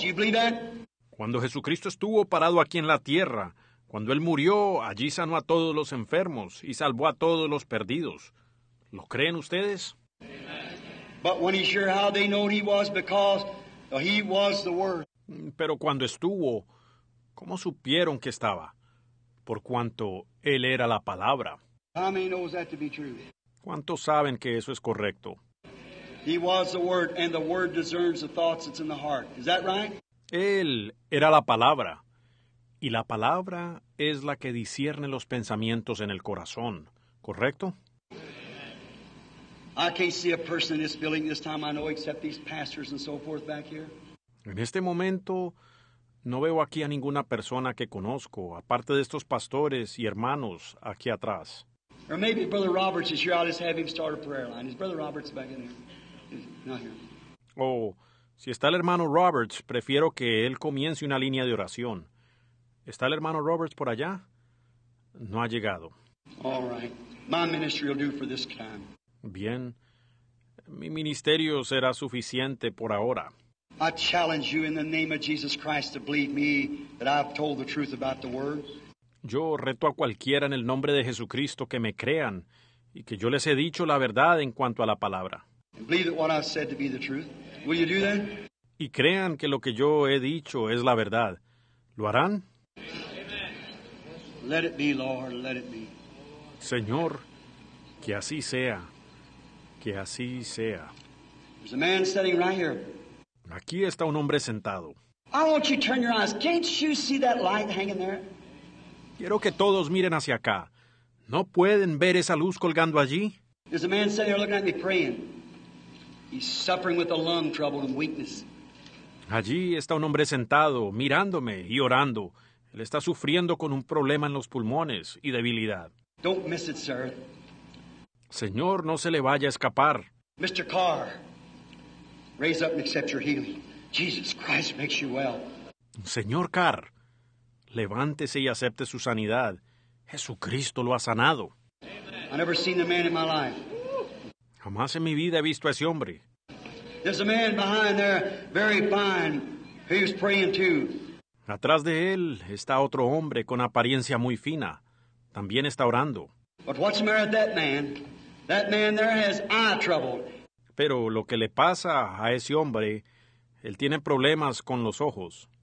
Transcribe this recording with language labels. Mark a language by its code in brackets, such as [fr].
[en] Do you believe that? [es] Cuando Jesucristo estuvo parado aquí en la tierra, cuando él murió, allí sanó a todos los enfermos y salvó a todos los perdidos. ¿Lo creen ustedes? [en] But when he sure how they know he was because he was the word. [es] Pero cuando estuvo, ¿cómo supieron que estaba? Por cuanto él era la palabra. [en] How many knows that to be true? [es] ¿Cuántos saben que eso es correcto? [en] He was the word, and the word discerns the thoughts that's in the heart. Is that right? [es] Él era la palabra, y la palabra es la que discierne los pensamientos en el corazón. ¿Correcto? [en] I can't see a person in this building this time I know except these pastors and so forth back here. [es] En este momento, no veo aquí a ninguna persona que conozco, aparte de estos pastores y hermanos aquí atrás. [en] Or maybe Brother Roberts is here. I'll just have him start a prayer line. Is Brother Roberts back in there? Not here. [es] Oh, si está el hermano Roberts, prefiero que él comience una línea de oración. ¿Está el hermano Roberts por allá? No ha llegado. [en] All right. My ministry will do for this time. [es] Bien. Mi ministerio será suficiente por ahora. [en] I challenge you in the name of Jesus Christ to believe me that I've told the truth about the word. [es] Yo reto a cualquiera en el nombre de Jesucristo que me crean y que yo les he dicho la verdad en cuanto a la palabra. [en] And believe that what I've said to be the truth. Will you do that? [es] Y crean que lo que yo he dicho es la verdad. ¿Lo harán? [en] Amen. Let it be, Lord, let it be. [es] Señor, que así sea. Que así sea. [en] There's a man sitting right here. [es] Aquí está un hombre sentado. [en] I want you to turn your eyes. Can't you see that light hanging there? [es] Quiero que todos miren hacia acá. ¿No pueden ver esa luz colgando allí? [en] There's a man sitting there looking at me praying. He's suffering with a lung trouble and weakness. [es] Allí está un hombre sentado, mirándome y orando. Él está sufriendo con un problema en los pulmones y debilidad. [en] Don't miss it, sir. [es] Señor, no se le vaya a escapar. [en] Mr. Carr, raise up and accept your healing. Jesus Christ makes you well. [es] Señor Carr, levántese y acepte su sanidad. Jesucristo lo ha sanado. [en] I never seen the man in my life. [es] Jamás en mi vida he visto a ese hombre. [en] There's a man behind there, very fine, who's praying too. [es] Atrás de él está otro hombre con apariencia muy fina. También está orando. [en] But what's the matter with that man? That man there has eye trouble. [es] Pero lo que le pasa a ese hombre, él tiene problemas con los ojos.